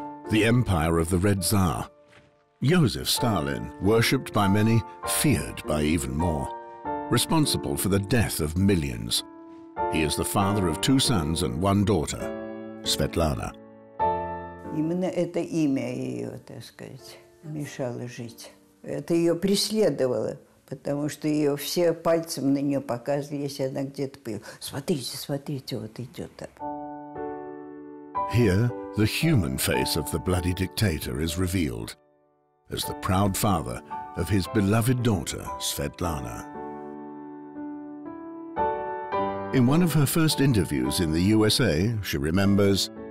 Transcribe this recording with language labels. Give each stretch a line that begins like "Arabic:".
English: The Empire of the Red Tsar. Josef Stalin, worshipped by many, feared by even more. Responsible for the death of millions. He is the father of two sons and one daughter, Svetlana.
Russian: Именно это имя ее, так сказать, мешало жить. Это ее преследовало, потому что ее все пальцем на нее показывали, если она где-то была. Смотрите, смотрите, вот идет так.
English: Here, the human face of the bloody dictator is revealed as the proud father of his beloved daughter, Svetlana. In one of her first interviews in the USA, she remembers...